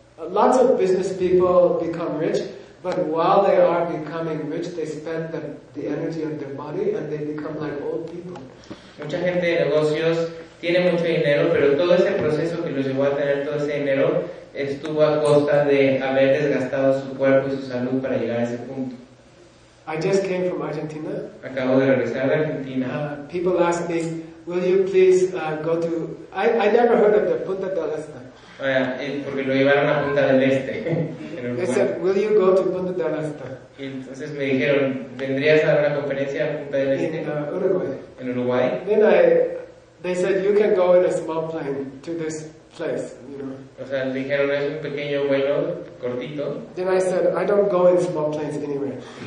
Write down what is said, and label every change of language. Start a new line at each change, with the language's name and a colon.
English: Lots of business people become rich, but while they are becoming rich, they spend the energy of their body and they become like old people.
Spanish: Mucha gente de negocios tiene mucho dinero, pero todo ese proceso que los llevó a tener todo ese dinero estuvo a costa de haber desgastado su cuerpo y su salud para llegar a ese punto.
English: I just came from Argentina.
Spanish: Acabo de regresar de Argentina.
English: People ask me, will you please go to... I never heard of the Punta del Este.
Spanish: Porque lo llevaron a Punta del Este.
English: They said, will you go to Punta del Este?
Spanish: Y entonces me dijeron, ¿vendrías a dar una conferencia a Punta del Este?
English: In Uruguay.
Spanish: En Uruguay.
English: Then they said, you can go in a small plane to this place, you know.
Spanish: O sea, dijeron, es un pequeño vuelo, cortito.
English: Then I said, I don't go in small planes anywhere.